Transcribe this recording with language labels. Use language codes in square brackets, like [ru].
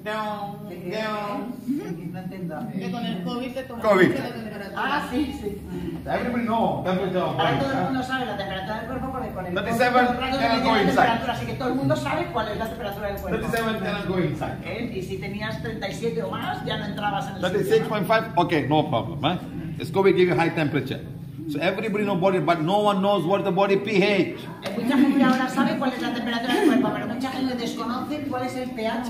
[en] COVID. [es] Ah, sí. [en] Everybody know temperature. [es] Ahora todo el mundo sabe la temperatura del cuerpo por el COVID. [en] 37 cannot go inside. [es] Así que todo el mundo sabe cuál es la temperatura del cuerpo. [en] 37 cannot go inside. [es] Y si tenías 37 o más, ya no entrabas en el [en] 36.5, okay, no problem. Is COVID give you high temperature? So everybody knows body, but no one knows what the body pH. [es] Mucha gente ahora sabe cuál es la temperatura del cuerpo, pero mucha gente desconoce cuál es el pH del cuerpo.